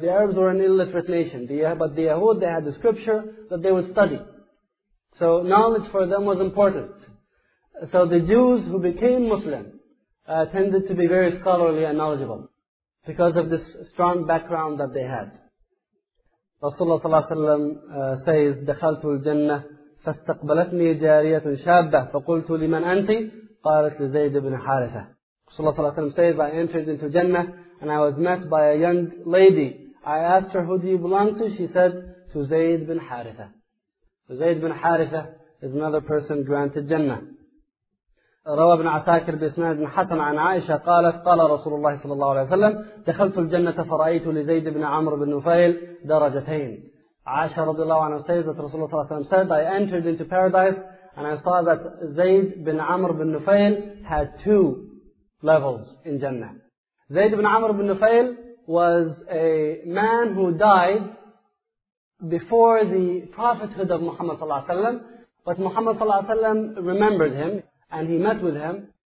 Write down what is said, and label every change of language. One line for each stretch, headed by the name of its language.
English: The Arabs were an illiterate nation. But the Yahud, they had the scripture that they would study. So knowledge for them was important. So the Jews who became Muslim tended to be very scholarly and knowledgeable because of this strong background that they had.
Arabic: Rasulullah sallallahu alaihi wasallam says, دخلت الجنة فاستقبلتني جارية شابة فقلت لمن أنت قالت لزيد بن حارثة.
English: Rasulullah sallallahu alaihi wasallam says, I entered into Jannah and I was met by a young lady. I asked her, who do you belong to? She said, to Zayd bin Haritha. So Zayd bin Haritha is another person granted Jannah.
Arabic: روى ابن عساكر بإسناد حسن عن عائشة قالت قال رسول الله صلى الله عليه وسلم دخلت الجنة فرأيت لزيد بن عمرو بن نفيل درجتين. عائشة رضي الله عنه
English: says that
Arabic: رسول الله صلى الله عليه وسلم
English: said, I entered into paradise and I saw that Zayd bin Amr bin Nufail had two levels in Jannah. Zayd bin Amr bin Nufail was a man who died before the prophethood of Muhammad
Arabic: صلى الله عليه وسلم,
English: but Muhammad صلى الله عليه وسلم remembered him and he met with him.